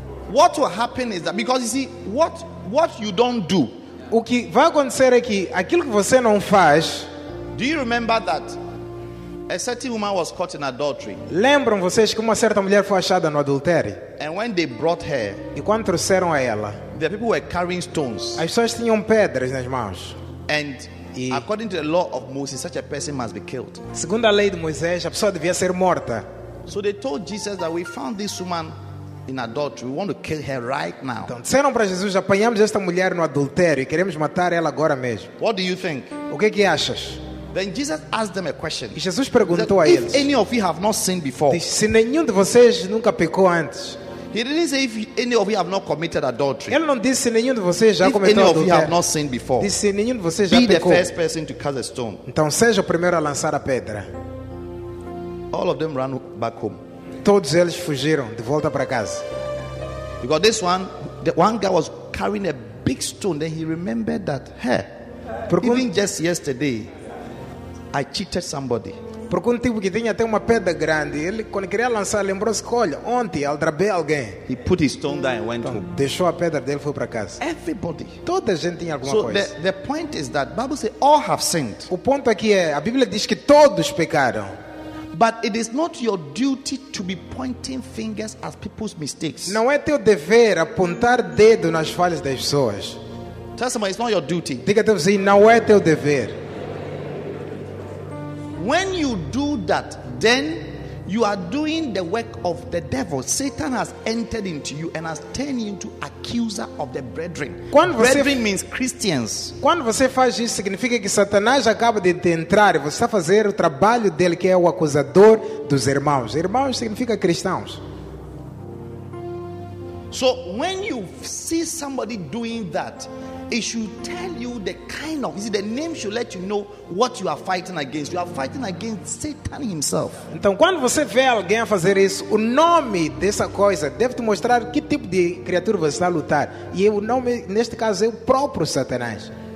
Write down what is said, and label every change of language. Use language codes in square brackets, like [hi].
[en] What will happen is that because you see what you don't do. [pt] O que vai acontecer é que aquilo que você não faz. [en] Do you remember that a certain woman was caught in adultery? [pt] Lembram vocês que uma certa mulher foi achada no adultério? [en] And when they brought her, [pt] e quando trouxeram a ela, [en] the people were carrying stones. [pt] As pessoas tinham pedras nas mãos. [en] And according to the law of Moses, such a person must be killed. [pt] Segundo a lei de Moisés, a pessoa devia ser morta. [en] So they told Jesus that we found this woman in adultery. We want to kill her right now. [pt] Então, disseram para Jesus, apanhamos esta mulher no adultério e queremos matar ela agora mesmo. [en] What do you think? [pt] O que achas? [en] Then Jesus asked them a question. [pt] E Jesus perguntou [en] that [pt] a eles. [en] If any of you have not sinned before. [pt] Disse, se nenhum de vocês nunca pecou antes. [en] He didn't say if any of you have not committed adultery. [pt] Ele não disse nenhum de vocês já cometeu [en] adultério. If any of you have not sinned before. [pt] Disse nenhum de vocês já pecou. [en] Be the first person to cast a stone. [pt] Então seja o primeiro a lançar a pedra. [en] All of them ran back home. [pt] Todos eles fugiram de volta para casa. [en] Because this one, the one guy was carrying a big stone, then he remembered that, hey, porque even just yesterday, I cheated somebody. [pt] Porque tipo que tinha até uma pedra grande, ele quando queria lançar, lembrou-se, olha, ontem aldrabei alguém. [en] He put his stone down and went [pt] então, [en] home. [pt] Deixou a pedra dele e foi para casa. [en] Everybody. [pt] Toda a gente tinha alguma [en] so [pt] coisa. [en] So the point is that, Bible says, all have sinned. [pt] O ponto aqui é, a Bíblia diz que todos pecaram. [en] But it is not your duty to be pointing fingers at people's mistakes. [pt] Não é teu dever apontar dedo nas falhas das pessoas. [en] Tell somebody, it's not your duty. [pt] Diga teu vizinho, não é teu dever. [en] When you do that, then you are doing the work of the devil. Satan has entered into you and has turned you into accuser of the brethren. Brethren means Christians. [pt] Quando você faz isso, significa que Satanás acaba de entrar e você está fazendo o trabalho dele, que é o acusador dos irmãos. Irmãos significa cristãos. [en] So when you see somebody doing that, it should tell you the kind of, you see, the name should let you know what you are fighting against. You are fighting against Satan himself. [pt] Então, quando você vê alguém fazer isso, o nome dessa coisa deve te mostrar que tipo de criatura você está a lutar. E o nome, neste caso, é o próprio Satanás.